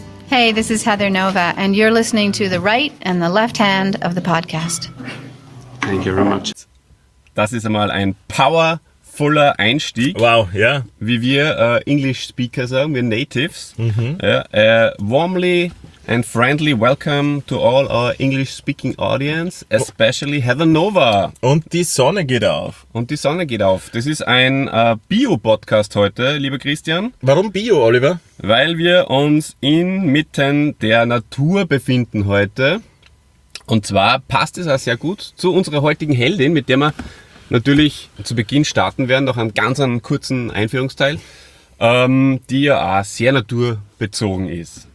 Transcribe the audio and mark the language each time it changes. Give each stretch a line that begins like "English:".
English: Hey, this is Heather Nova, and you're listening to the right and the left hand of the podcast. Thank you very much.
German: Das ist einmal ein powervoller Einstieg. Wow, ja. Wie wir English Speaker sagen, wir Natives. Mhm.
English: Warmly and friendly welcome to all our English speaking audience, especially Heather Nova.
German: Und die Sonne geht auf. Und die Sonne geht auf. Das ist ein Bio-Podcast heute, lieber Christian. Warum Bio, Oliver? Weil wir uns inmitten der Natur befinden heute. Und zwar passt es auch sehr gut zu unserer heutigen Heldin, mit der wir natürlich zu Beginn starten werden, noch einen ganz kurzen Einführungsteil, die ja auch sehr naturbezogen ist.